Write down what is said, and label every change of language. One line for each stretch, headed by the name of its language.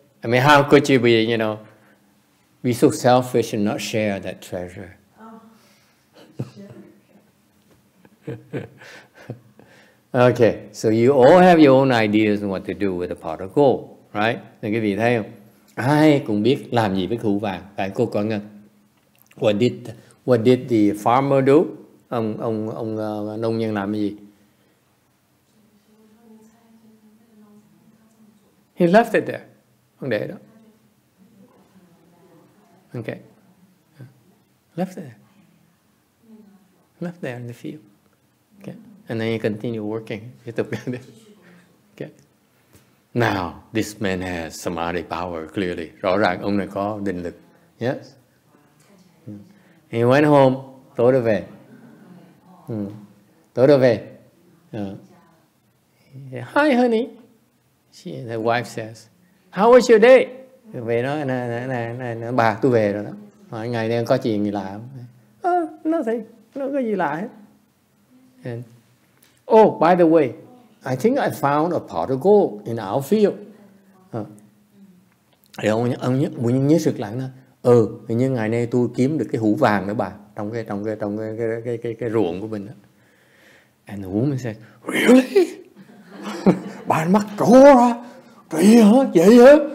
English: I mean, how could you be, you know, be so selfish and not share that treasure? Oh. Okay, so you all have your own ideas on what to do with a pot of gold, right?
Vietnamese: Thì quý vị thấy không? Ai cũng biết làm gì với hũ vàng. Phải cô có ngân.
English: What did the farmer do?
Vietnamese: Ông nông nhân làm cái gì?
English: He left it there.
Vietnamese: Ông để đó.
English: Okay. Left there in the field. Okay. And then he continued working. Okay. Now, this man has samadhi power, clearly.
Vietnamese: Rõ ràng ông này có định lực.
English: Yes. He went home.
Vietnamese: Tối đó về. Tối đó về.
English: Hi, honey. The wife says, how was your day?
Vietnamese: về nó nè bà tôi về rồi đó, mỗi ngày đây có chuyện gì lạ không? À, nó có gì lạ hết.
English: And, oh, by the way, I think I found a pot of gold in our field.
Vietnamese: Rồi ông nhớ sực lại nó, ừ, hình như ngày nay tôi kiếm được cái hũ vàng nữa bà, trong cái ruộng của mình đó.
English: And the woman said, really?
Vietnamese: Bà mắc trố ra, kỳ hả, vậy hả?